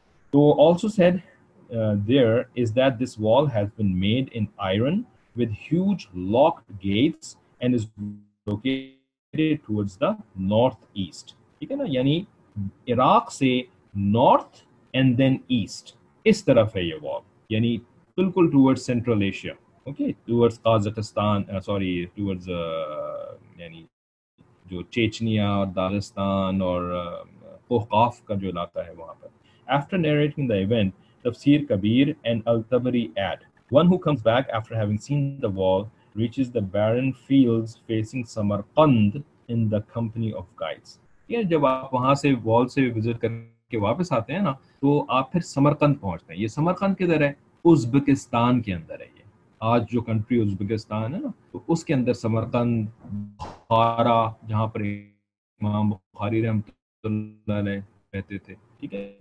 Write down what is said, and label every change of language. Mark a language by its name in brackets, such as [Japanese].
[English] تو also said there is that this wall has been made in iron with huge locked gates and is located towards the north east, [Urdu] ٹھیک ہے نا, یعنی عراق سے north and then asset اس طرف ہے یہ وال, یعنی بالکل toward central Asia, okay, toward Kazakhstan, sorry, toward یعنی جو چیچنیا اور دارستان اور قوقاف کا جو علاقہ ہے وہاں پر. [English] After narrating the event, Tafsir Kabir and al Tabari add, one who comes back after having seen the wall reaches the barren fields facing Samarkand in the company of guides. [Urdu] جب آپ وہاں سے وال سے وزٹ کر کے واپس آتے ہیں نا, تو آپ پھر سمرقند پہنچتے ہیں. یہ سمرقند کدھر ہے؟ ازبکستان کے اندر ہے. یہ آج جو کنٹری ازبکستان ہے نا, تو اس کے اندر سمرقند, بخارا, جہاں پر امام بخاری رحمۃ اللہ علیہ رہتے تھے, ٹھیک ہے.